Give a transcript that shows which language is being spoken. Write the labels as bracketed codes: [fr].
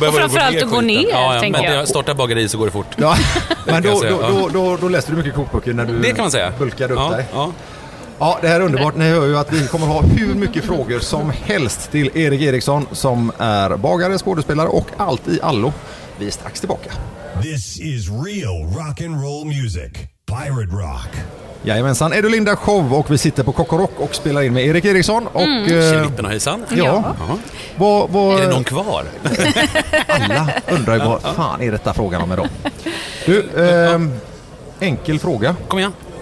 [sv] Och framförallt att gå ner, tänker jag. Men startar bageri så går det fort. Ja. Men då läste du mycket kokböcker när du bulkade upp dig. Ja, det här är underbart. Ni hör ju att vi kommer ha hur mycket frågor som helst till Erik Eriksson, som är bagare, skådespelare och allt i allo. Vi är strax tillbaka. [en] This is real rock and roll music. Pirate rock. [sv] Jajamensan, är du Linda Show, och vi sitter på Kockorock och spelar in med Erik Eriksson. Och Klippen har hejsan. Ja. Var... Är det någon kvar? Alla undrar ju vad fan är detta frågan om idag. Du, enkel fråga. Kom igen.